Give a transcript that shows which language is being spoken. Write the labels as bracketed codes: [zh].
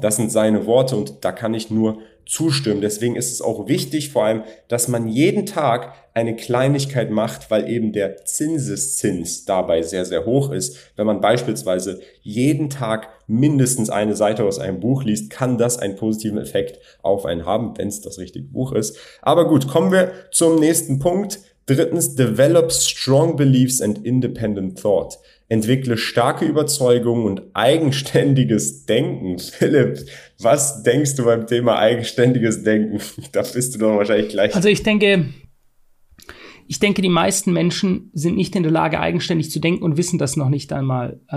[de] Das sind seine Worte und da kann ich nur zustimmen. Deswegen ist es auch wichtig, vor allem, dass man jeden Tag eine Kleinigkeit macht, weil eben der Zinseszins dabei sehr, sehr hoch ist. Wenn man beispielsweise jeden Tag mindestens eine Seite aus einem Buch liest, kann das einen positiven Effekt auf einen haben, wenn es das richtige Buch ist. Aber gut, kommen wir zum nächsten Punkt. [en] Drittens, develop strong beliefs and independent thought. [de] Entwickle starke Überzeugungen und eigenständiges Denken. Philipp, was denkst du beim Thema eigenständiges Denken? Da bist du doch wahrscheinlich gleich. Also ich denke, die meisten Menschen sind nicht in der Lage, eigenständig zu denken und wissen das noch nicht einmal.